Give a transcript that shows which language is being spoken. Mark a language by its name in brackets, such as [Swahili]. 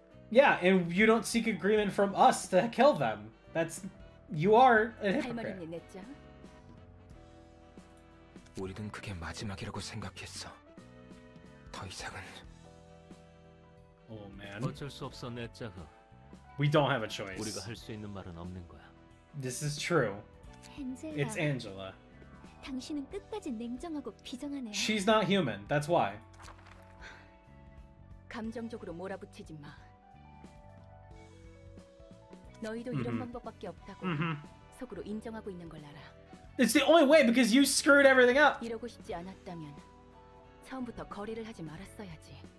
[English] Yeah, and you don't seek agreement from us to kill them. That's... You are a hypocrite. [Korean] 우리는 그게 마지막이라고 생각했어. 더 이상은. [English] Oh man. [Korean] 어쩔 수 없어, 넷자흐. [English] We don't have a choice. [Korean] 우리가 할 수 있는 말은 없는 거야. [English] This is true. [Korean] 엔젤라. [English] It's Angela. [Korean] 당신은 끝까지 냉정하고 비정하네. [English] She's not human. That's why. [Korean] 감정적으로 몰아붙이지 마. 너희도 이런 방법밖에 없다고 속으로 인정하고 있는 걸 알아. [English] It's the only way because you screwed everything up. [Korean] 이러고 싶지 않았다면 처음부터 거리를 하지 말았어야지.